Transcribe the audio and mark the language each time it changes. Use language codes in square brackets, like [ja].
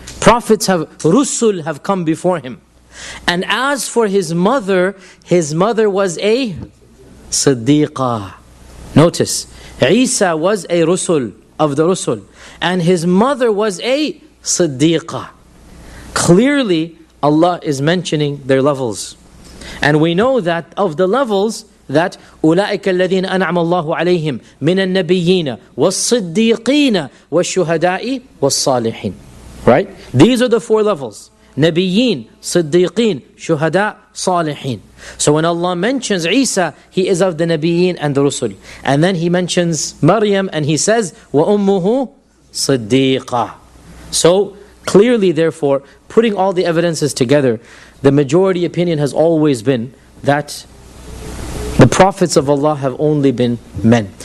[en] Prophets have, Rusul have come before him. And as for his mother was a Siddiqa. Notice, Isa was a Rusul of the Rusul, and his mother was a Siddiqa. Clearly, Allah is mentioning their levels. And we know that of the levels, that [ar] أُولَٰئِكَ الَّذِينَ أَنْعَمَ اللَّهُ عَلَيْهِمْ مِنَ النَّبِيِّينَ وَالصِّدِّيقِينَ وَالشُّهَدَاءِ وَالصَّالِحِينَ. [en] Right? These are the four levels. [ar] نَبِيِّينَ, صِدِّيقِينَ, شُهَدَاءَ, صَالِحِينَ. [en] So when Allah mentions Isa, he is of the Nabiyeen and the Rusul. And then he mentions Maryam and he says, [ar] وَأُمُّهُ صِدِّيقَةٌ. [en] So clearly, therefore, putting all the evidences together, the majority opinion has always been that the prophets of Allah have only been men.